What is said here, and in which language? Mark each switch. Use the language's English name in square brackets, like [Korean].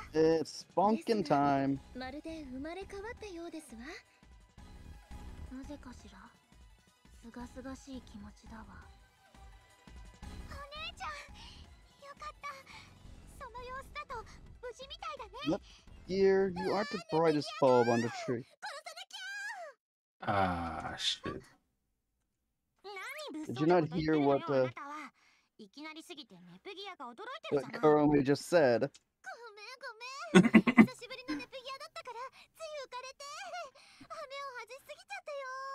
[English] It's spunkin' time。 [Japanese] まるで生まれ変わったようですわ。なぜかしら、すがすがしい気持ちだわ。お姉ちゃん、よかった。その様子だと無事みたいだね。 [English] Yep. Here, you aren't the brightest bulb on the tree. [Japanese] 殺さなきゃ。 [English] Ah, shit. Did you not hear what the? [Japanese] いきなりすぎてネプギアが驚いてるじゃん。 [English] Kuromi just said [Japanese] ごめんごめん、久しぶりのネプギアだったからつい浮かれて羽を外しすぎちゃったよ。